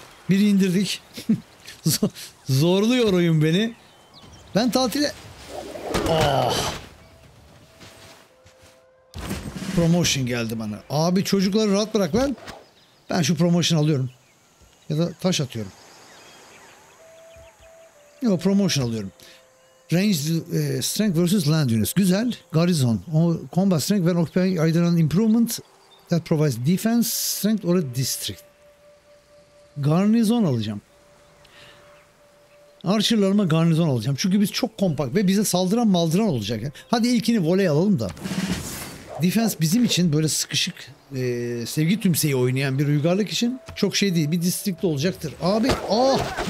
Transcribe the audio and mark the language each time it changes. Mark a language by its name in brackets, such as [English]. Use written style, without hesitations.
[Turkish] Bir indirdik. Zorluyor oyun beni. Ben tatile... Ah. Promotion geldi bana. Abi çocukları rahat bırak lan. Ben şu promotion alıyorum. Ya da taş atıyorum. Yok, promotion alıyorum. [English] Range strength versus land units. [Turkish] Güzel. [English] Garrison. Combat strength when occupying either an improvement that provides defense strength or a district. [Turkish] Garnizon alacağım. Archer'larıma garnizon alacağım. Çünkü biz çok kompakt ve bize saldıran maldıran olacak. Hadi ilkini voley alalım da. Defense bizim için böyle sıkışık sevgi tümseyi oynayan bir uygarlık için çok şey değil. Bir district de olacaktır. Abi, ah!